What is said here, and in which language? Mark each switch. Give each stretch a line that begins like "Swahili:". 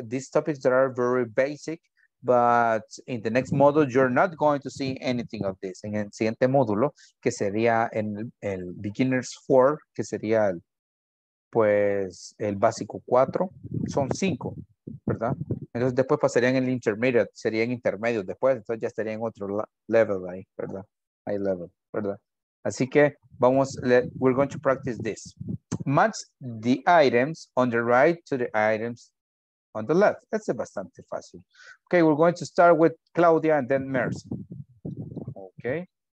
English: These topics that are very basic, but in the next module, you're not going to see anything of this.
Spanish: En el siguiente módulo, que sería en el Beginners 4, que sería el básico 4, son 5, ¿verdad? Entonces después pasarían el Intermediate, serían intermedios después, entonces ya estarían en otro level ahí, ¿verdad?
English: high level,
Spanish: ¿verdad? Así que vamos,
English: we're going to practice this. Match the items on the right to the items on the left. That's
Spanish: bastante fácil.
English: Okay, we're going to start with Claudia and then Mercy. Okay.